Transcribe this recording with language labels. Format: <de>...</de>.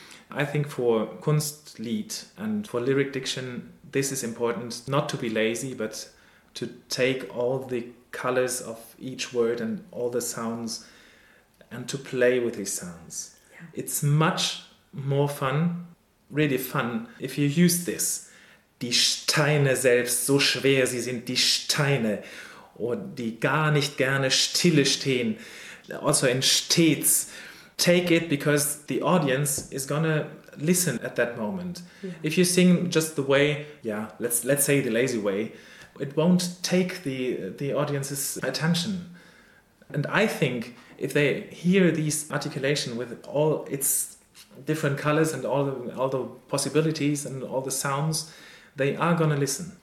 <en>I think for Kunstlied and for lyric diction, this is important not to be lazy, but to take all the colors of each word and all the sounds and to play with these sounds. Yeah. It's much more fun, really fun, if you use this.</en> <de>Die Steine selbst, so schwer sie sind, die Steine. Or die gar nicht gerne stille stehen.</de> <en>Also in stets. Take it because the audience is going to listen at that moment. Yeah. If you sing just the way, yeah, let's say the lazy way, it won't take the audience's attention. And I think if they hear these articulation with all its different colors and all the possibilities and all the sounds, they are going to listen.</en>